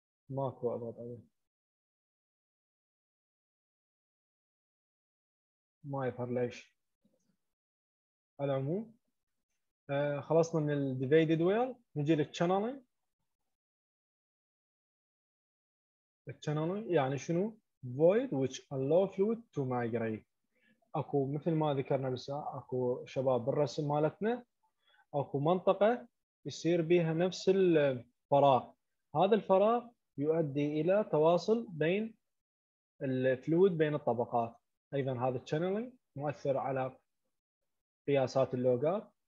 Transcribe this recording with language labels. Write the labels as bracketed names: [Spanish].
[Arabic] ماكو اضغط عليها ما يظهر ليش. على العموم خلصنا من ال divided well، نجي لل channeling. [English] channeling [Arabic] يعني شنو؟ [English] void which allow fluid to migrate. [Arabic] اكو مثل ما ذكرنا بس اكو شباب بالرسم مالتنا اكو منطقة يصير بها نفس الفراغ، هذا الفراغ يؤدي الى تواصل بين الفلويد بين الطبقات. ايضا هذا channeling مؤثر على قياسات اللوغات.